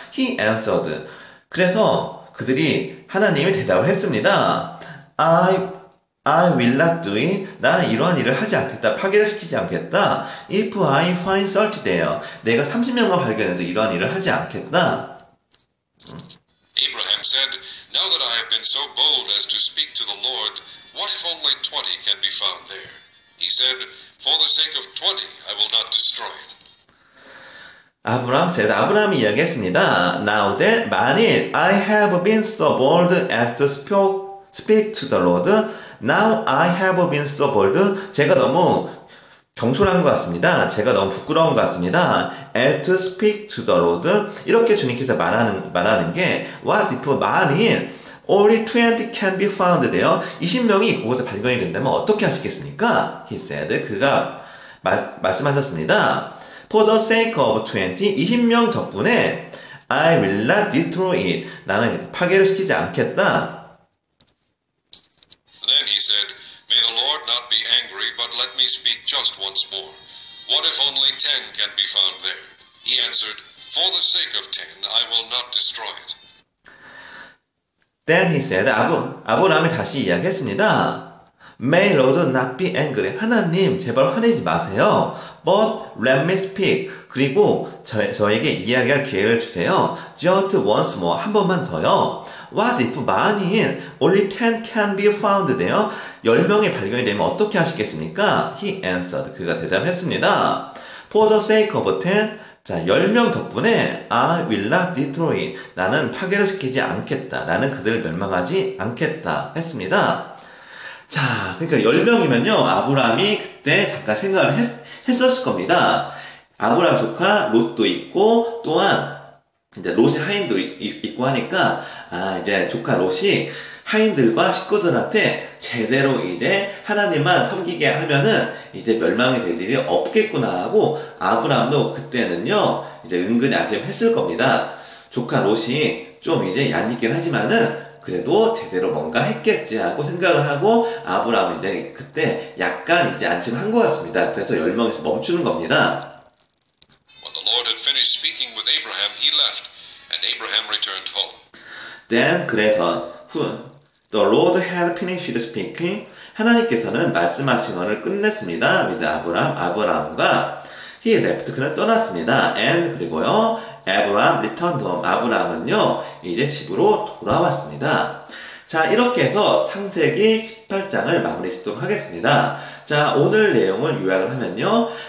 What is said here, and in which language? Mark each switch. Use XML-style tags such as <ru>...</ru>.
<en>He answered.</en> <ko>그래서 그들이 하나님이 대답을 했습니다.</ko> <en>I will not do it.</en> <ko>나는 이러한 일을 하지 않겠다. 파괴를 시키지 않겠다.</ko> <en>If I find 30 there.</en> <ko>내가 30명만 발견해도 이러한 일을 하지 않겠다.</ko> <en>Abraham said, Now that I have been so bold as to speak to the Lord, what if only 20 can be found there? He said, For the sake of 20, I will not destroy it.</en> <ko>아브라함</ko> <en>said,</en> <ko>아브라함이 이야기했습니다.</ko> <en>Now that,</en> <ko>만일,</ko> <en>I have been so bold as to speak to the Lord, Now I have been so bold.</en> <ko>제가 너무 경솔한 것 같습니다. 제가 너무 부끄러운 것 같습니다.</ko> <en>As to speak to the Lord.</en> <ko>이렇게 주님께서 말하는 게,</ko> <en>What if,</en> <ko>만일,</ko> <en>only 20 can be found there.</en> <ko>20명이 그곳에 발견이 된다면 어떻게 하시겠습니까?</ko> <en>He said,</en> <ko>그가 말씀하셨습니다.</ko> <en>For the sake of 20,</en> <ko>20명 덕분에,</ko> <en>I will not destroy it.</en> <ko>나는 파괴를 시키지 않겠다.</ko> <en>Then he said, May the Lord not be angry, but let me speak just once more. What if only 10 can be found there? He answered, For the sake of 10, I will not destroy it. Then he said,</en> <ko>아브라함이 다시 이야기했습니다.</ko> <en>May Lord not be angry.</en> <ko>하나님, 제발 화내지 마세요.</ko> <en>But let me speak.</en> <ko>그리고 저에게 이야기할 기회를 주세요.</ko> <en>Just once more.</en> <ko>한 번만 더요.</ko> <en>What if,</en> <ko>만일,</ko> <en>only 10 can be found there?</en> <ko>10명이 발견이 되면 어떻게 하시겠습니까?</ko> <en>He answered.</en> <ko>그가 대답했습니다.</ko> <en>For the sake of 10.</en> <ko>자, 10명 덕분에,</ko> <en>I will not destroy.</en> <ko>나는 파괴를 시키지 않겠다. 나는 그들을 멸망하지 않겠다. 했습니다. 자, 그러니까 10명이면요. 아브라함이 그때 잠깐 생각을 했었을 겁니다. 아브라함 조카, 롯도 있고, 또한, 이제 롯의 하인도 있고 하니까, 아, 이제 조카 롯이 하인들과 식구들한테 제대로 이제 하나님만 섬기게 하면은 이제 멸망이 될 일이 없겠구나 하고, 아브라함도 그때는요, 이제 은근히 안심했을 겁니다. 조카 롯이 좀 이제 얄밉긴 하지만은, 그래도 제대로 뭔가 했겠지 하고 생각을 하고, 아브라함은 이제 그때 약간 이제 안심한 것 같습니다. 그래서 10명에서 멈추는 겁니다.</ko> <en>When the Lord had finished speaking with Abraham, he left, and Abraham returned home. Then,</en> <ko>그래서,</ko> <en>the Lord had finished speaking.</en> <ko>하나님께서는 말씀하신 것을 끝냈습니다.</ko> <en>with Abraham.</en> <ko>아브라함과,</ko> <en>he left,</en> <ko>그는 떠났습니다.</ko> <en>And,</en> <ko>그리고요,</ko> <en>Abraham returned home.</en> <ko>아브라함은요, 이제 집으로 돌아왔습니다. 자, 이렇게 해서 창세기 18장을 마무리 짓도록 하겠습니다. 자, 오늘 내용을 요약을 하면요,</ko>